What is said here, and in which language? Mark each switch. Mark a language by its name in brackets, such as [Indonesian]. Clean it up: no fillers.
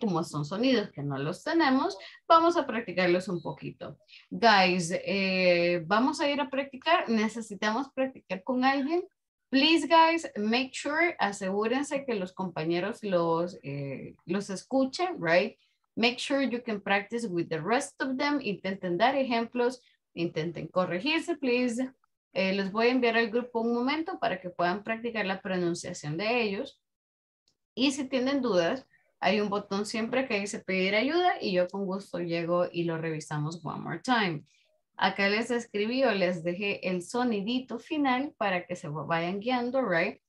[Spanish] Como son sonidos que no los tenemos, vamos a practicarlos un poquito. Guys, vamos a ir a practicar. Necesitamos practicar con alguien. [English] Please, guys, make sure, [Spanish] asegúrense que los compañeros los escuchen, right? [English] Make sure you can practice with the rest of them. [Spanish] Intenten dar ejemplos. Intenten corregirse, please. Les voy a enviar al grupo un momento para que puedan practicar la pronunciación de ellos. Y si tienen dudas, hay un botón siempre que dice pedir ayuda y yo con gusto llego y lo revisamos [English] one more time. [Spanish] Acá les escribí o les dejé el sonidito final para que se vayan guiando, right?